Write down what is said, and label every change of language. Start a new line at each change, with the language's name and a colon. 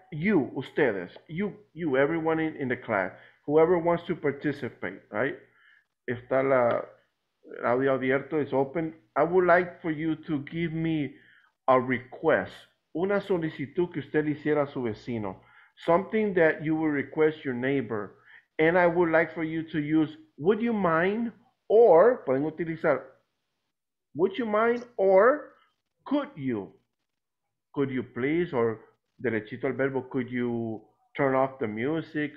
English: You, ustedes, you, everyone in the class, whoever wants to participate, right? If
Spanish: está la audio abierto,
English: it's open. I would like for you to give me a request.
Spanish: Una solicitud que usted le hiciera a su vecino.
English: Something that you would request your neighbor. And I would like for you to use, would you mind, or,
Spanish: pueden utilizar,
English: would you mind, or could you? Could you please, or
Spanish: derechito al verbo,
English: could you turn off the music?